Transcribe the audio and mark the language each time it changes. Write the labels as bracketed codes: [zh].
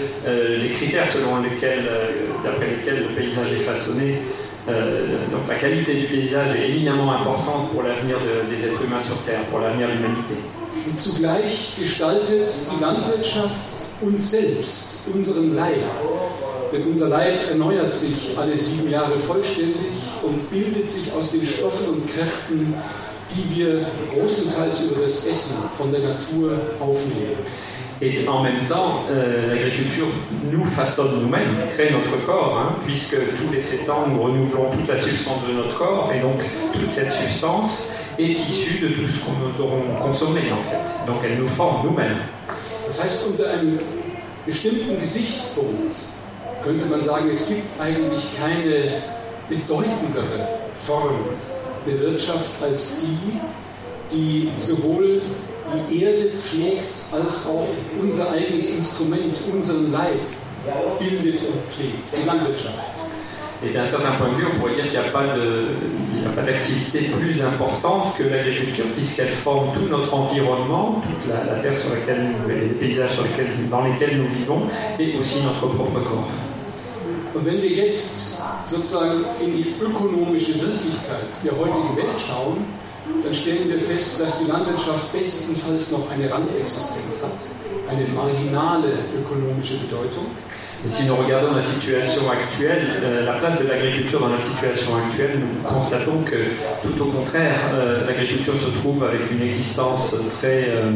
[fr] Les critères selon lesquels, d'après lesquels le paysage est façonné, donc la qualité du paysage est éminemment importante pour l'avenir des êtres humains sur Terre, pour l'avenir de l'humanité. [de] Et zugleich gestaltet die Landwirtschaft uns selbst, unseren Leib. Denn unser Leib erneuert sich alle 7 Jahre vollständig und bildet sich aus den Stoffen und Kräften, die wir großenteils über das Essen von der Natur aufnehmen. [fr] Et en même temps, l'agriculture nous façonne nous-mêmes, crée notre corps, puisque tous les 7 ans, nous renouvelons toute la substance de notre corps, et donc toute cette substance est issue de tout ce que nous aurons consommé, en fait. Donc elle nous forme nous-mêmes. [de] Das heißt, unter einem bestimmten Gesichtspunkt könnte man sagen, es gibt eigentlich keine bedeutendere Form der Wirtschaft als die, die sowohl die Erde pflegt, als auch unser eigenes Instrument, unseren Leib, bildet und pflegt, die Landwirtschaft. [fr] Et d'un certain point de vue, on pourrait dire qu'il n'y a pas d'activité plus importante que l'agriculture, puisqu'elle forme tout notre environnement, toute la terre sur laquelle les paysages sur lesquels, dans lesquels nous vivons, et aussi notre propre corps. [de] Und wenn wir jetzt sozusagen in die ökonomische Wirklichkeit der heutigen Welt schauen, dann stellen wir fest, dass die Landwirtschaft bestenfalls noch eine Randexistenz hat, eine marginale ökonomische Bedeutung. [fr] Et si nous regardons la situation actuelle, la place de l'agriculture dans la situation actuelle, nous constatons que, tout au contraire, l'agriculture se trouve avec une existence très...